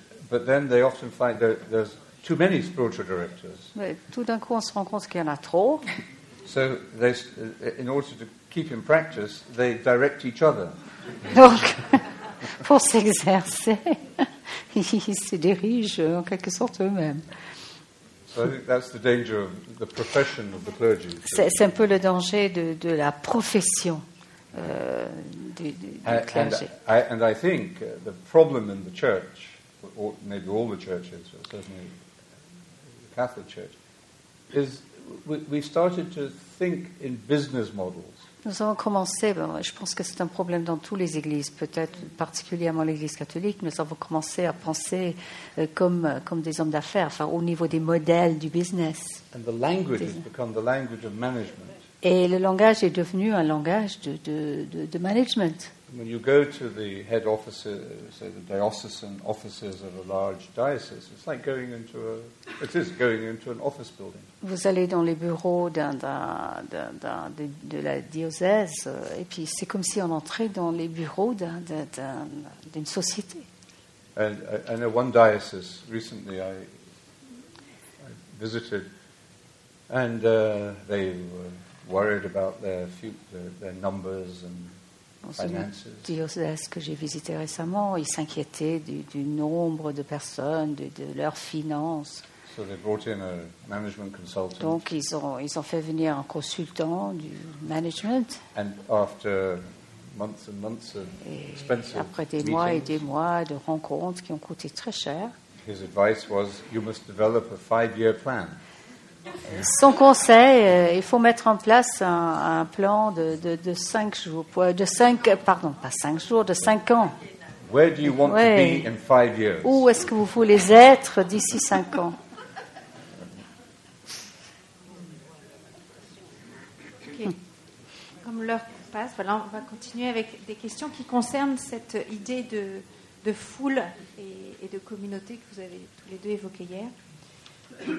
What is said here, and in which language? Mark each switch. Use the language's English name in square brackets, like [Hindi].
[English] But then they often find that there's too many spiritual directors. [French] Mais tout d'un coup, on se rend compte qu'il y en a trop. [English] So, they, in order to keep in practice, they direct each other. [French] Donc, pour s'exercer, ils se dirigent en quelque sorte eux-mêmes. [English] So, I think that's the danger of the profession of the clergy. [French] C'est un peu le danger de la profession du clergé. [English] And I think the problem in the church, or maybe all the churches, or certainly. Catholic Church is we started to think in business models. [French] Nous avons commencé, je pense que c'est un problème dans toutes les églises, peut-être particulièrement l'église catholique, nous avons commencé à penser comme des hommes d'affaires, enfin au niveau des modèles du business. [English] And the language has become the language of management. [French] Et le langage est devenu un langage de management. [English] When you go to the head offices, say the diocesan offices of a large diocese, it's like going into an office building. [French] Vous allez dans les bureaux de la diocèse, et puis c'est comme si on entrait dans les bureaux d'une société. [English] And I know one diocese recently I visited, and they were worried about their numbers and. [French] Diocèse que j'ai visité récemment, ils s'inquiétaient du nombre de personnes, de leurs finances. [English] So they brought in a management consultant. [French] Donc ils ont fait venir un consultant du management. [English] And after months and months of expensive [French] et après des [English] meetings, [French] mois et des mois de rencontres qui ont coûté très cher. [English] His advice was, you must develop a 5-year plan. [French] Son conseil, il faut mettre en place un plan de 5 jours, de 5, pardon, pas 5 jours, de 5 ans. [English] Where do you want to be in 5 years? [French] Où est-ce que vous voulez être d'ici 5 ans? [English] Okay. [French] Comme l'heure passe, voilà, on va continuer avec des questions qui concernent cette idée de foule et de communauté que vous avez tous les deux évoquée hier.